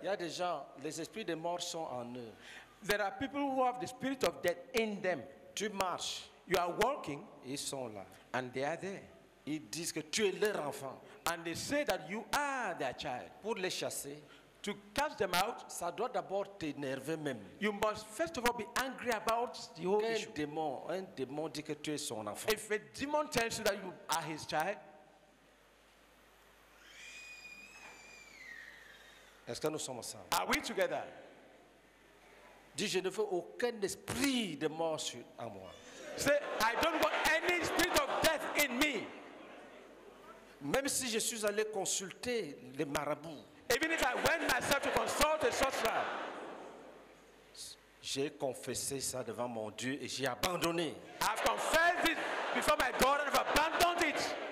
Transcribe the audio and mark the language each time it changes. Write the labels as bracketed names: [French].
[French] Il y a des gens, les esprits des morts sont en eux. [English] There are people who have the spirit of death in them. [French] Tu marches. [English] You are walking. [French] Ils sont là. [English] And they are there. [French] Ils disent que tu es leur enfant. [English] And they say that you are their child. [French] Pour les chasser. [English] To cast them out, [French] ça doit d'abord t'énerver même. [English] You must first of all be angry about the whole issue. [French] Un démon dit que tu es son enfant. [English] If a demon tells you that you are his child, [French] est-ce que nous sommes ensemble? [English] Are we together? [French] Dis, je ne veux aucun esprit de mort sur en moi. [English] Say, I don't want any spirit of death in me. [French] Même si je suis allé consulter les marabouts. [English] Even if I went myself to consult a sorcerer, [French] j'ai confessé ça devant mon Dieu et j'ai abandonné. [English] I've confessed it before my God and I've abandoned it.